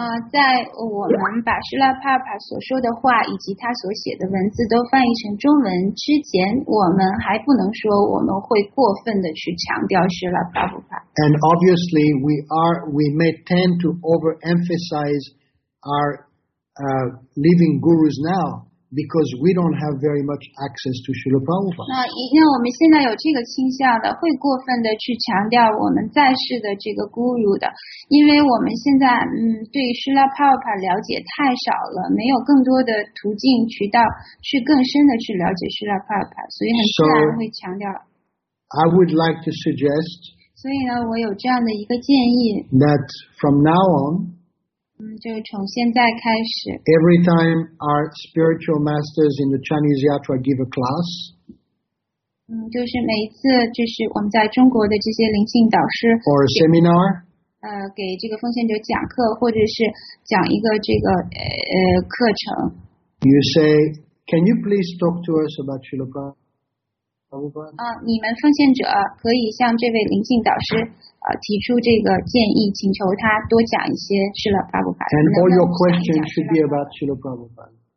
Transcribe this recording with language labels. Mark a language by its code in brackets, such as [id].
[zh] 在我们把 Srila Prabhupada 所说的话以及他所写的文字都翻译成中文之前，我们还不能说我们会过分的去强调 Srila Prabhupada。 [en] And obviously, we may tend to overemphasize our living gurus now because we don't have very much access to Srila Prabhupada. [zh] 那因为我们现在有这个倾向的，会过分的去强调我们在世的这个 guru 的。因为我们现在对 Srila Prabhupada 了解太少了，没有更多的途径渠道去更深的去了解 Srila Prabhupada， 所以很自然会强调。 [en] I would like to suggest， [zh] 所以呢，我有这样的一个建议 [en] ，that from now on， [zh] 就从现在开始 [en] ，every time our spiritual masters in the Chinese Yatra give a class。 [zh] 就是每一次，就是我们在中国的这些灵性导师 [en] ，or a seminar。 [zh] 给这个奉献者讲课或者是讲一个这个课程。 [en] You say, can you please talk to us about Srila Prabhupada? [zh] 你们奉献者可以向这位灵性导师提出这个建议，请求他多讲一些 Srila Prabhupada。 [en] And all your questions should be about Srila Prabhupada.